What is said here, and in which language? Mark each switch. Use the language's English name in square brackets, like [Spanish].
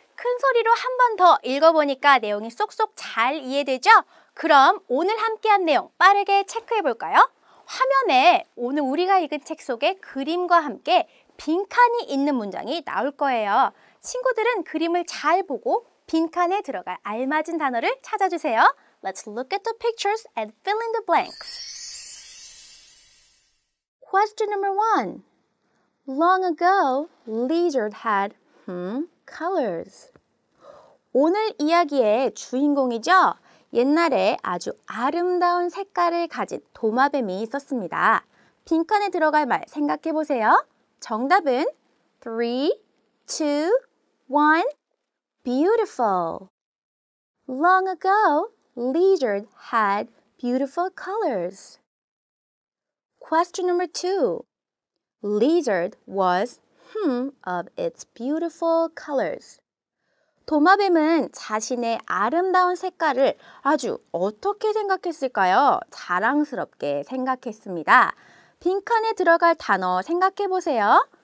[Korean] 큰 소리로 한 번 더 읽어보니까 내용이 쏙쏙 잘 이해되죠? 그럼 오늘 함께한 내용 빠르게 체크해볼까요? 화면에 오늘 우리가 읽은 책 속의 그림과 함께 빈칸이 있는 문장이 나올 거예요. 친구들은 그림을 잘 보고 빈칸에 들어갈 알맞은 단어를 찾아주세요. [English] Let's look at the pictures and fill in the blanks. Question number one. Long ago, Lizard had colors. [Korean] 오늘 이야기의 주인공이죠? 옛날에 아주 아름다운 색깔을 가진 도마뱀이 있었습니다. 빈칸에 들어갈 말 생각해 보세요. 정답은 3, 2, 1, beautiful. [English] Long ago, Lizard had beautiful colors. Question number 2. Lizard was of its beautiful colors. [Korean] 도마뱀은 자신의 아름다운 색깔을 아주 어떻게 생각했을까요? 자랑스럽게 생각했습니다. 빈칸에 들어갈 단어 생각해 보세요.